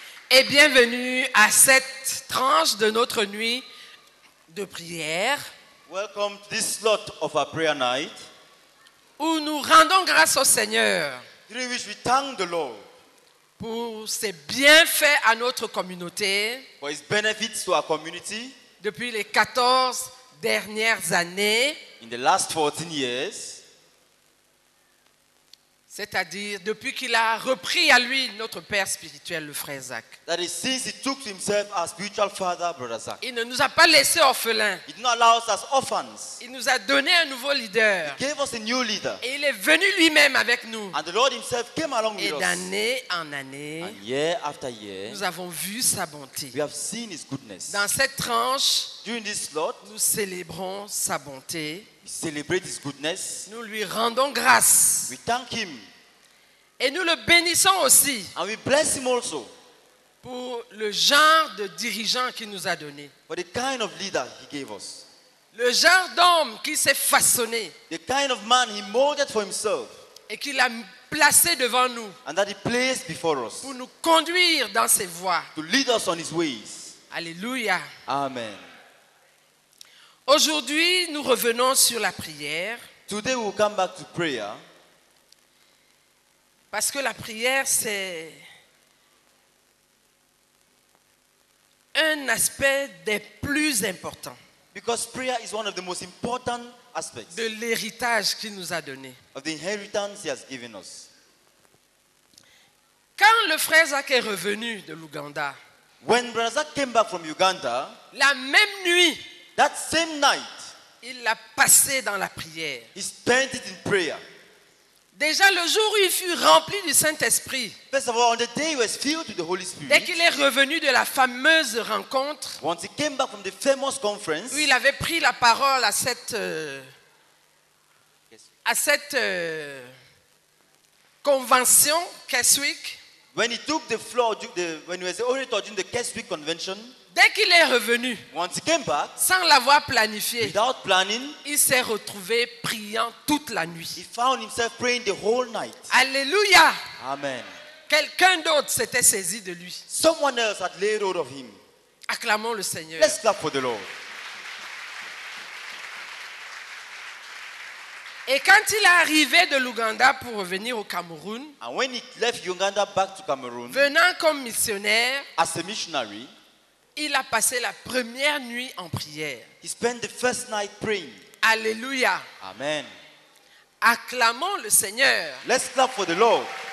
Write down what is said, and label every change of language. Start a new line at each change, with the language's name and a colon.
French: Et bienvenue à cette tranche de notre nuit de prière.
English: Welcome to this slot of our prayer night.
French: Où nous rendons grâce au Seigneur.
English: Through which we thank the Lord.
French: Pour ses bienfaits à notre communauté.
English: For his benefits to our community.
French: Depuis les 14 dernières années.
English: In the last 14 years.
French: C'est-à-dire depuis qu'il a repris à lui notre père spirituel, le frère Zach.
English: That is, since he took himself as spiritual father, brother Zach.
French: Il ne nous a pas laissé orphelins.
English: He did not allow us as orphans.
French: Il nous a donné un nouveau leader.
English: He gave us a new leader.
French: Et il est venu lui-même avec nous.
English: And the Lord himself came along with us.
French: Et d'année en année,
English: and year after year,
French: nous avons vu sa bonté.
English: We have seen his goodness.
French: Dans cette tranche,
English: during this slot,
French: nous célébrons sa bonté.
English: Celebrate his goodness.
French: Nous lui rendons grâce.
English: We thank him.
French: Et nous le bénissons aussi.
English: And we bless him also.
French: Pour le genre de dirigeant qu'il nous a donné.
English: For the kind of leader he gave us.
French: Le genre d'homme qui s'est façonné.
English: The kind of man he molded for himself.
French: Et qu'il a placé devant nous.
English: And that he placed before us.
French: Pour nous conduire dans ses voies.
English: To lead us on his ways.
French: Alléluia. Amen. Aujourd'hui, nous revenons sur la prière.
English: Today we'll come back to prayer.
French: Parce que la prière, c'est un aspect des plus importants.
English: Because prayer is one of the most important aspects
French: de l'héritage qu'il nous a donné.
English: Of the inheritance he has given us.
French: Quand le frère Zach est revenu de l'Ouganda,
English: when Brother Zach came back from Uganda,
French: la même nuit,
English: that same night,
French: il l'a passé dans la prière.
English: He spent it in prayer.
French: Déjà le jour où il fut rempli du Saint-Esprit,
English: first of all, on the day he was filled with the Holy Spirit,
French: dès qu'il est revenu de la fameuse rencontre,
English: once he came back from the famous conference,
French: où il avait pris la parole à cette convention, Keswick,
English: when he took the floor, when he was the orator during the Keswick convention,
French: dès qu'il est revenu,
English: once he came back,
French: sans l'avoir planifié,
English: without planning,
French: il s'est retrouvé priant toute la nuit.
English: He found himself praying the whole night.
French: Alléluia. Amen. Quelqu'un d'autre s'était saisi de lui.
English: Someone else had laid hold of him.
French: Acclamons le Seigneur.
English: Let's clap for the Lord.
French: Et quand il est arrivé de l'Ouganda pour revenir au Cameroun,
English: and when he left Uganda back to Cameroon,
French: venant comme missionnaire,
English: as a missionary,
French: il a passé la première nuit en prière.
English: He spent the first night praying.
French: Alléluia. Amen. Acclamons le Seigneur.
English: Let's clap for the Lord.